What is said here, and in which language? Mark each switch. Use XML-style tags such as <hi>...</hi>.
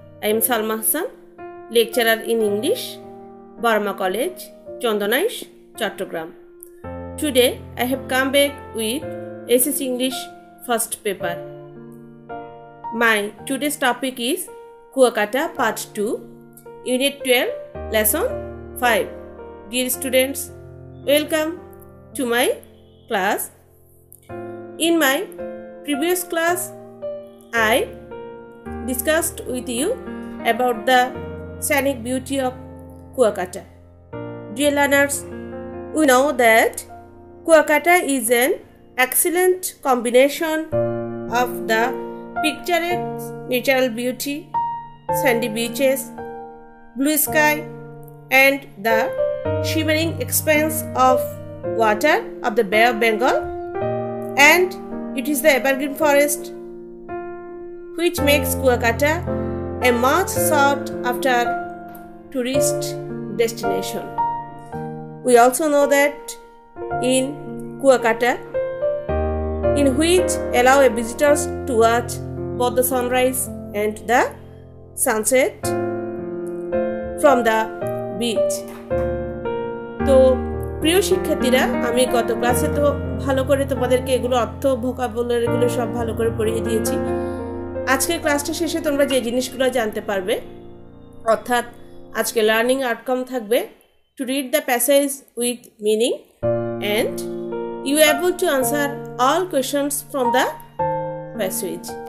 <en>I am Salma Hasan, lecturer in English, Barma college, Chandanaish, Chittagong. Today I have come back with SSC English first paper. My today's topic is Kuakata part two, unit 12, lesson 5। Dear students, welcome to my class. In my previous class I discussed with you about the scenic beauty of Kuakata. Dear learners, we know that Kuakata is an excellent combination of the picturesque natural beauty, sandy beaches, blue sky and the shimmering expanse of water of the Bay of Bengal, and it is the evergreen forest which makes Kuakata a much sought after tourist destination. We also know that in Kuakata, in which allow a visitors to watch both the sunrise and the sunset from the beach.</en> <bn>তো প্রিয় শিক্ষার্থীরা, আমি গত ক্লাসে তো ভালো করে তোমাদেরকে এগুলো অর্থ ভোকাবুলারি এগুলো সব ভালো করে পড়িয়ে দিয়েছি। আজকের ক্লাসটা শেষে তোমরা যে জিনিসগুলো জানতে পারবে, অর্থাৎ আজকে লার্নিং আউটকাম থাকবে</bn> <en>To read the passage with meaning and you able to answer all questions from the passage.</en>